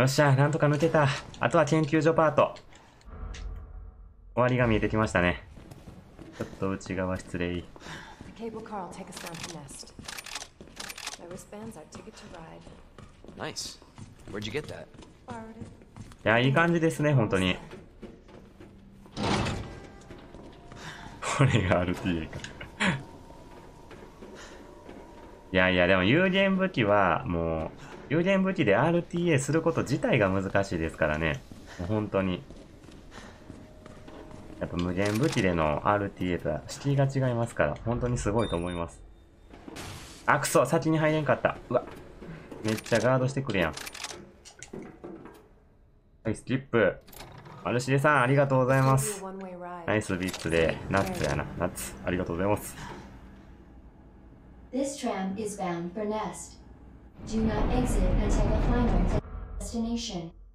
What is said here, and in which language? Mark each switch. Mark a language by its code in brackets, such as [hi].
[ja] よっしゃ、なんとか抜けた。あとは研究所パート。終わりが見えてきましたね。ちょっと内側失礼。 [en] The cable car will take us down to Nest. My wristband's our ticket to ride. Nice. Where'd you get that? Borrowed it. [ja] いや、いい感じですね、本当に。これが RTA か。いやいや、でも有限武器はもう有限武器で RTA すること自体が難しいですからね。もう本当にやっぱ無限武器での RTA とは敷居が違いますから、本当にすごいと思います。あ、くそ、先に入れんかった。うわ、めっちゃガードしてくるやん。はい、スキップ。マルシエさん、ありがとうございます。ナイスビッツで、ナッツやな、ナッツ、ありがとうございます。 [en] This tram is bound for Nest. Do not exit until the final destination.